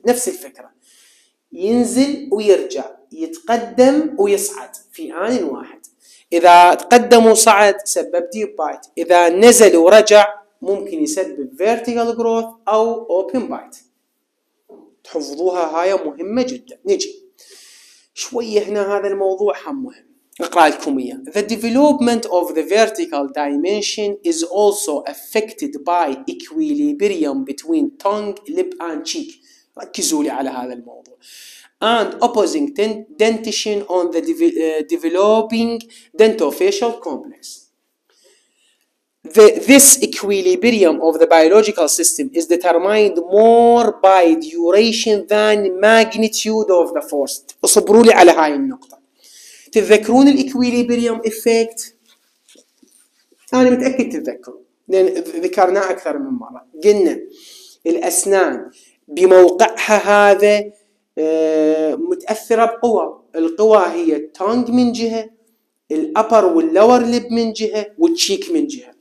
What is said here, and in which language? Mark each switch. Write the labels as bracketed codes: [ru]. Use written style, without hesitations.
[ar] نفس الفكرة، ينزل ويرجع، يتقدم ويصعد في آن واحد. إذا تقدم وصعد سبب ديب بايت، إذا نزل ورجع ممكن يسبب vertical growth أو open bite. تحفظوها هاي مهمة جدا. نجي شوية هنا، هذا الموضوع هم مهم. أقرأ لكم إياه. [en] The development of the vertical dimension is also affected by equilibrium between tongue, lip and cheek. [ar] ركزوا لي على هذا الموضوع. [en] And opposing dentition on the developing dentofacial complex. This equilibrium of the biological system is determined more by duration than magnitude of the force. [ar] اصبروا لي على هاي النقطة. تذكرون الإكويليبريوم إفكت؟ أنا متأكد تذكروا، لأن ذكرناه أكثر من مرة. قلنا الأسنان بموقعها هذا متأثرة بقوة، القوة هي التونج من جهة، الأبر واللور ليب من جهة، والتشيك من جهة.